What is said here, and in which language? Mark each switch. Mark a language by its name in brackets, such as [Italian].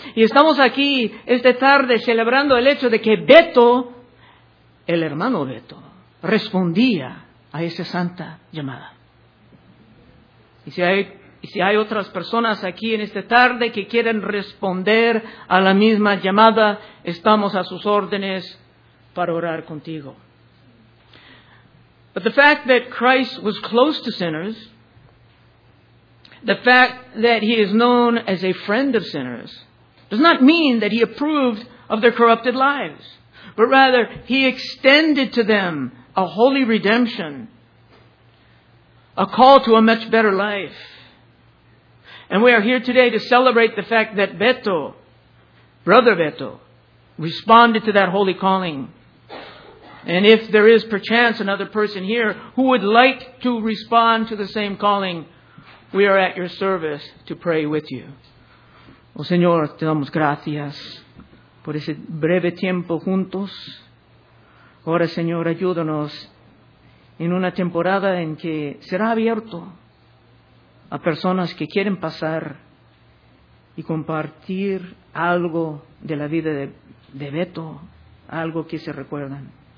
[Spanish] Y estamos aquí esta tarde celebrando el hecho de que Beto, el hermano Beto, respondía a esa santa llamada. Y si hay otras personas aquí en esta tarde que quieren responder a la misma llamada, estamos a sus órdenes para orar contigo. [English] But the fact that Christ was close to sinners, the fact that he is known as a friend of sinners, does not mean that he approved of their corrupted lives, but rather he extended to them a holy redemption, a call to a much better life. And we are here today to celebrate the fact that Beto, Brother Beto, responded to that holy calling. And if there is perchance another person here who would like to respond to the same calling, we are at your service to pray with you. [Spanish] Oh, Señor, te damos gracias por ese breve tiempo juntos. Ahora, Señor, ayúdanos en una temporada en que será abierto a personas que quieren pasar y compartir algo de la vida de Beto, algo que se recuerdan.